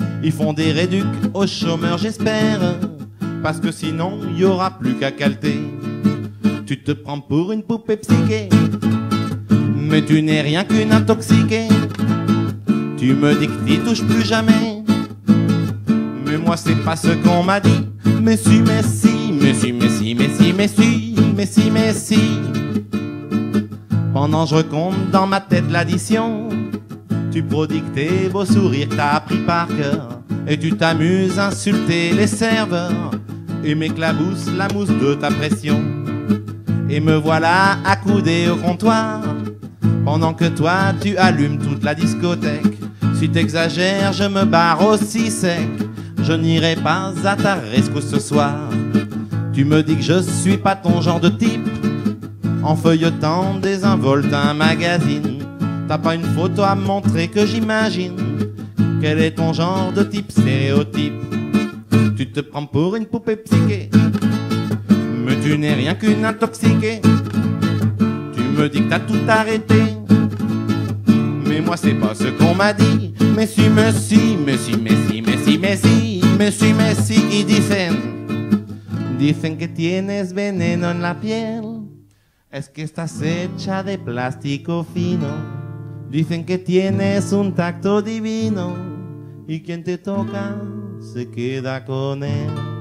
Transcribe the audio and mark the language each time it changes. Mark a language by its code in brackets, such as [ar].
[fr] Ils font des réducs aux chômeurs, j'espère, parce que sinon y aura plus qu'à calter. Tu te prends pour une poupée psychée, mais tu n'es rien qu'une intoxiquée. Tu me dis que t'y touches plus jamais, mais moi c'est pas ce qu'on m'a dit. Mais si, mais si, mais si, mais si, mais si, mais si, mais si, mais si. Pendant je compte dans ma tête l'addition, tu prodigues tes beaux sourires, t'as appris par cœur, et tu t'amuses à insulter les serveurs, et m'éclabousse la mousse de ta pression. Et me voilà accoudé au comptoir, pendant que toi tu allumes toute la discothèque. Si t'exagères, je me barre aussi sec, je n'irai pas à ta rescousse ce soir. Tu me dis que je suis pas ton genre de type, en feuilletant désinvolte un magazine. T'as pas une photo à montrer que j'imagine. Quel est ton genre de type stéréotype? Tu te prends pour une poupée psychée, mais tu n'es rien qu'une intoxiquée. Tu me dis que t'as tout arrêté, mais moi c'est pas ce qu'on m'a dit. Mais si, mais si, mais si, mais si, mais si, mais si, mais si, mais si, ils disent. [es] Dicen que tienes veneno en la piel. Es que estás hecha de plástico fino. Dicen que tienes un tacto divino. Y quien te toca se queda con él.